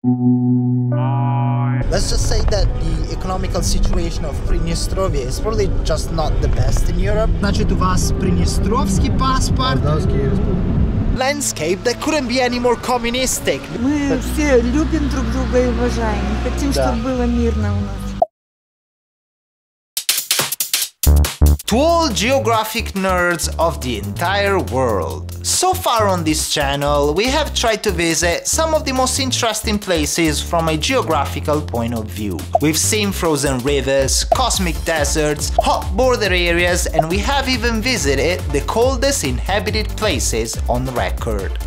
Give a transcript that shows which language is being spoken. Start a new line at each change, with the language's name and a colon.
English: Let's just say that the economical situation of Pridnestrovia is probably just not the best in Europe.
Russian: Значит, у вас Приднестровский паспорт.
English: Landscape that couldn't be any more communistic.
Russian: Мы все любим друг друга и уважаем. Мы хотим, чтобы было мирно у нас.
English: To all geographic nerds of the entire world, so far on this channel, we have tried to visit some of the most interesting places from a geographical point of view. We've seen frozen rivers, cosmic deserts, hot border areas, and we have even visited the coldest inhabited places on record.